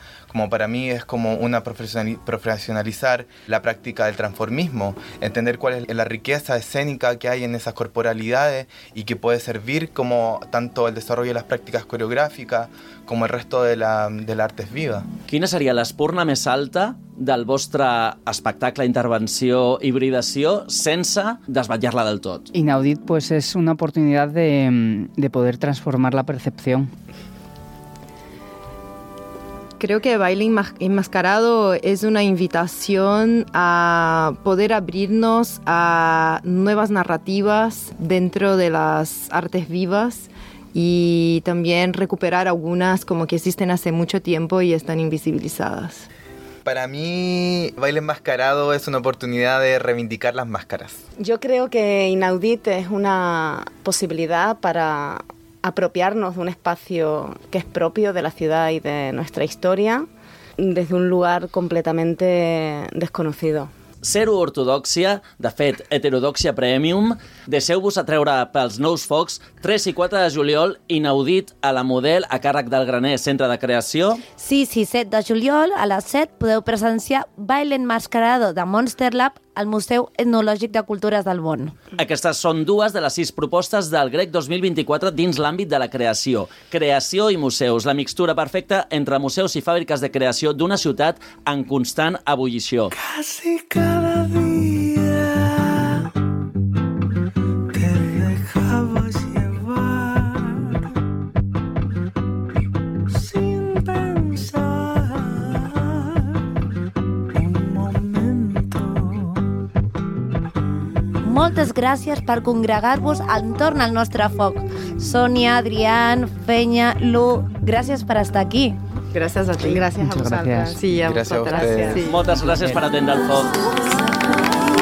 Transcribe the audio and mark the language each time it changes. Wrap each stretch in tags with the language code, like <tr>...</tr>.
<es>Como para mí es como una profesionalizar la práctica del transformismo, entender cuál es la riqueza escénica que hay en esas corporalidades y que puede servir como tanto el desarrollo de las prácticas coreográficas como el resto de la artes viva.</es> <ca>Quina seria l'espurna més alta del vostre espectacle, intervenció, hibridació, sense desvetllar-la del tot?</ca> <es>Inaudit, pues es una oportunidad de poder transformar la percepción. Creo que Baile Enmascarado es una invitación a poder abrirnos a nuevas narrativas dentro de las artes vivas y también recuperar algunas como que existen hace mucho tiempo y están invisibilizadas. Para mí, Baile Enmascarado es una oportunidad de reivindicar las máscaras. Yo creo que Inaudit es una posibilidad para apropiarnos de un espacio que es propio de la ciudad y de nuestra historia desde un lugar completamente desconocido.</es> <ca>Zero ortodoxia, de fet, heterodoxia premium, deixeu-vos atreure pels nous focs, 3 i 4 de juliol, Inaudit a la Model, a càrrec del Graner Centre de Creació. Sí, 7 de juliol, a les 7, podeu presenciar Baile Enmascarado de Monster Lab al Museu Etnològic de Cultures del Bonn. Aquestes són dues de les sis propostes del GREC 2024 dins l'àmbit de la creació. Creació i museus, la mixtura perfecta entre museus i fàbriques de creació d'una ciutat en constant ebullició.</ca> <es>Quasi cada dia te dejabas llevar sin pensar un momento.</es> <ca>Moltes gràcies per congregar-vos entorn al nostre foc. Sònia, Adrián, Fenya, Lu, gràcies per estar aquí. Gràcies a ti, gràcies a vosaltres. Sí, a vosaltres. Sí. Moltes gràcies per atendre el foc.</ca>